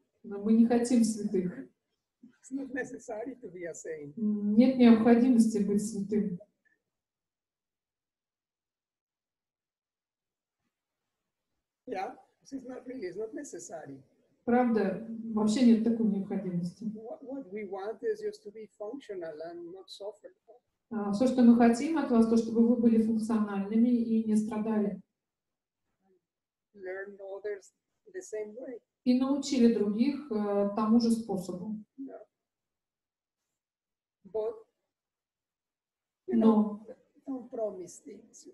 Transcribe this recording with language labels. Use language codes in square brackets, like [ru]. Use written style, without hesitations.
[ru] Но мы не хотим святых. [en] It's not necessary to be a saint. [ru] Нет необходимости быть святым. [en] Yeah, it's not really, it's not necessary. [ru] Правда, вообще нет такой необходимости. [en] What we want is just to be functional and not suffer. [ru] Все, что мы хотим от вас, то, чтобы вы были функциональными и не страдали. [en] Learn others the same way. [ru] И научили других тому же способу. [en] Yeah. But, you know, don't promise things.